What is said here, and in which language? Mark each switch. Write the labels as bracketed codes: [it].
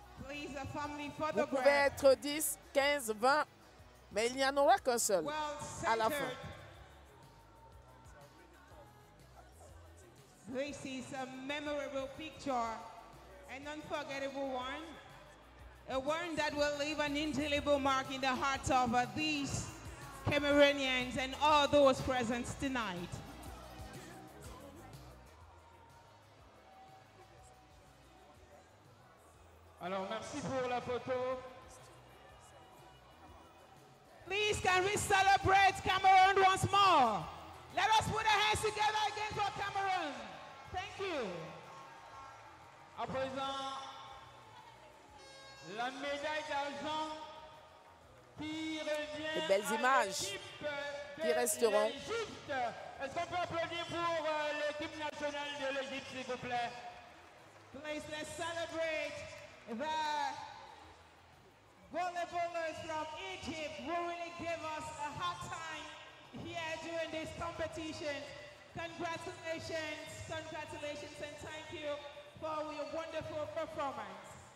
[fr] Vous pouvez être 10, 15, 20, mais il n'y en aura qu'un seul à la fin. [en] This is a memorable picture, an unforgettable one, a one that will leave an indelible mark in the hearts of these Cameroonians and all those present tonight. [fr] Alors, merci pour la photo. [en] Please, can we celebrate Cameroon once more? Let us put our hands together again for Cameroon. Thank you. [fr] À présent, la médaille d'argent qui revient. de belles images qui resteront. Est-ce qu'on peut applaudir pour l'équipe nationale de l'Égypte, s'il vous plaît? [en] Please, let's celebrate the volleyballers from Egypt who really gave us a hard time here during this competition. Congratulations, congratulations, and thank you for your wonderful performance.